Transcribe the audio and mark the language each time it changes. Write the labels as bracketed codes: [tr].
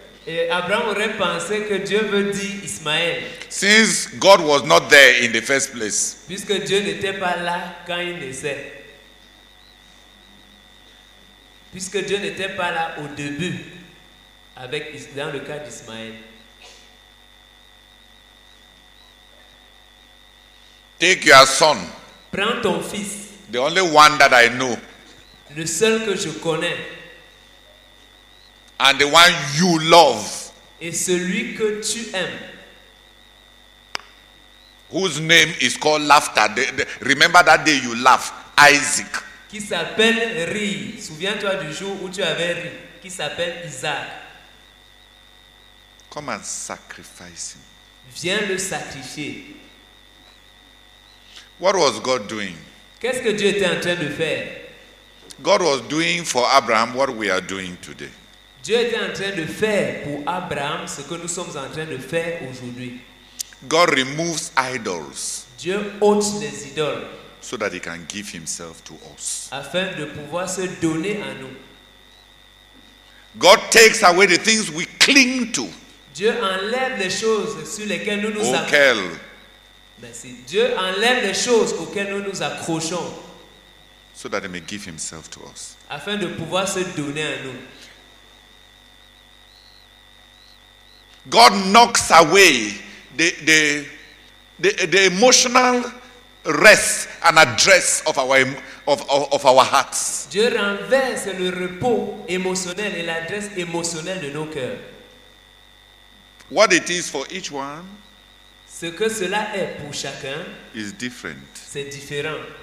[fr] Et Abraham aurait pensé que Dieu veut dire Ismaël. [en] Since God was not there in the first place. [fr] Puisque Dieu n'était pas là quand il naissait. Puisque Dieu n'était pas là au début avec dans le cas d'Ismaël. [en] Take your son. [fr] Prends ton fils. [en] The only one that I know. [fr] Le seul que je connais. [en] And the one you love. [fr] Et celui que tu aimes. [en] Whose name is called laughter. Remember that day you laugh, Isaac. [fr] Qui s'appelle rire. Souviens-toi du jour où tu avais ri. Qui s'appelle Isaac. [en] Come and sacrifice him. [fr] Viens le sacrifier. [en] What was God doing? [fr] Qu'est-ce que Dieu était en train de faire? [en] God was doing for Abraham what we are doing today. [fr] Dieu était en train de faire pour Abraham ce que nous sommes en train de faire aujourd'hui. [en] God removes idols. [fr] Dieu ôte les idoles. [en] so that he can give himself to us. [fr] Afin de pouvoir se donner à nous. [en] God takes away the things we cling to. [fr] Dieu enlève les choses sur lesquelles nous nous accrochons. Dieu enlève les choses auxquelles nous nous accrochons. [en] So that he may give himself to us. [fr] Afin de pouvoir se donner à nous. [en] God knocks away the emotional rest and address of our hearts. [fr] Dieu renverse le repos émotionnel et l'adresse émotionnelle de nos cœurs. [en] What it is for each one, [fr] ce que cela est pour chacun, [en] is different. [fr] C'est différent.